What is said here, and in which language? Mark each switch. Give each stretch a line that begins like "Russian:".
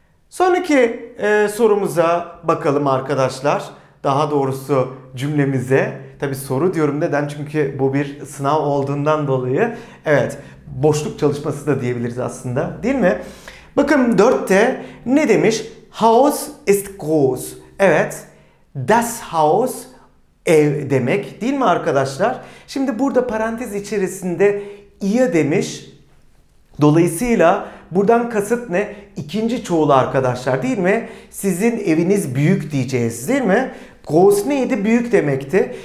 Turkish: Sonraki sorumuza bakalım arkadaşlar. Daha doğrusu cümlemize. Tabii soru diyorum neden? Çünkü bu bir sınav olduğundan dolayı. Evet, boşluk çalışması da diyebiliriz aslında, değil mi? Bakın 4'te ne demiş?
German: Haus ist groß.
Turkish: Evet, das Haus ev demek değil mi arkadaşlar? Şimdi burada parantez içerisinde ihr demiş. Dolayısıyla buradan kasıt ne? İkinci çoğul arkadaşlar değil mi? Sizin eviniz büyük diyeceğiz değil mi? Groß neydi? Büyük demekti.